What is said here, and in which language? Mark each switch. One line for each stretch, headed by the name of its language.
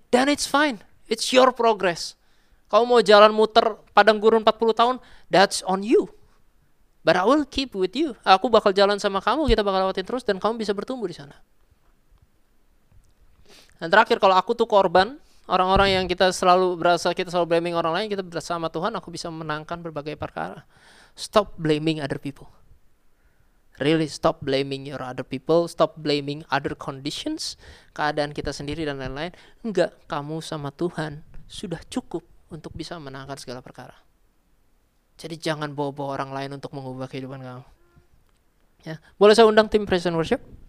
English: Then it's fine. It's your progress.
Indonesian: Kamu mau jalan muter padang gurun 40 tahun,
English: that's on you. But I will keep with you.
Indonesian: Aku bakal jalan sama kamu, kita bakal lewatin terus, dan kamu bisa bertumbuh di sana. Dan terakhir, kalau aku tuh korban, orang-orang yang kita selalu berasa, kita selalu blaming orang lain, kita bersama Tuhan, aku bisa memenangkan berbagai perkara.
English: Stop blaming other people. Really, stop blaming your other people. Stop blaming other conditions,
Indonesian: keadaan kita sendiri dan lain-lain. Enggak, kamu sama Tuhan sudah cukup untuk bisa menangkan segala perkara. Jadi jangan bawa-bawa orang lain untuk mengubah kehidupan kamu. Ya, boleh saya undang tim praise and worship?